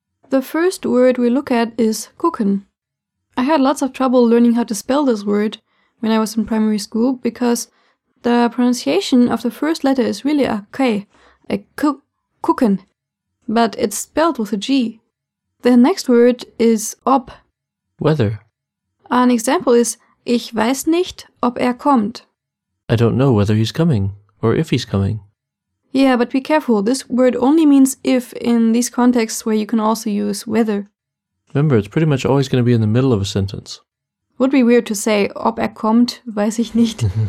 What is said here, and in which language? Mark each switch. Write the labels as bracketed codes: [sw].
[en] The first word we look at is gucken. I had lots of trouble learning how to spell this word when I was in primary school because the pronunciation of the first letter is really a k, a gucken, but it's spelled with a g. The next word is ob. Whether. An example is [de] ich weiß nicht, ob kommt. [en] I don't know whether he's coming or if he's coming. Yeah, but be careful. This word only means if in these contexts where you can also use whether. Remember, it's pretty much always going to be in the middle of a sentence. Would be weird to say, [de] ob kommt, weiß ich nicht.